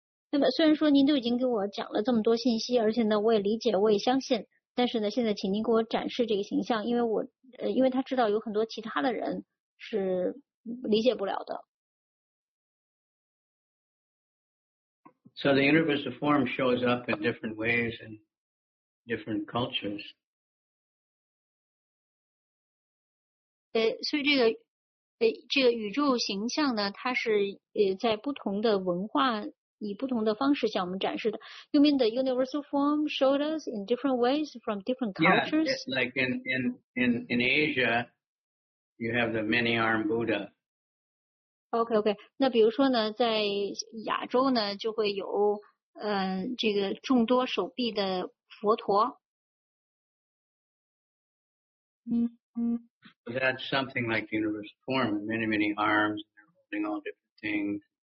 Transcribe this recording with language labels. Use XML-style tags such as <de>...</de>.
<zh>那么虽然说您都已经给我讲了这么多信息，而且呢，我也理解，我也相信，但是呢，现在请您给我展示这个形象，因为我因为他知道有很多其他的人是理解不了的。</zh> <en>So the universe of form shows up in different ways and different cultures.</en> <zh>所以这个宇宙形象呢，它是在不同的文化以不同的方式向我们展示的.</zh> <en>You mean the universal form showed us in different ways from different cultures? Yeah, like in Asia, you have the many-armed Buddha. OK, OK.</en> <zh>那比如说呢，在亚洲呢，就会有这个众多手臂的佛陀。</zh> <en>So that's something like the universal form, many, many arms, and they're holding all different things.</en>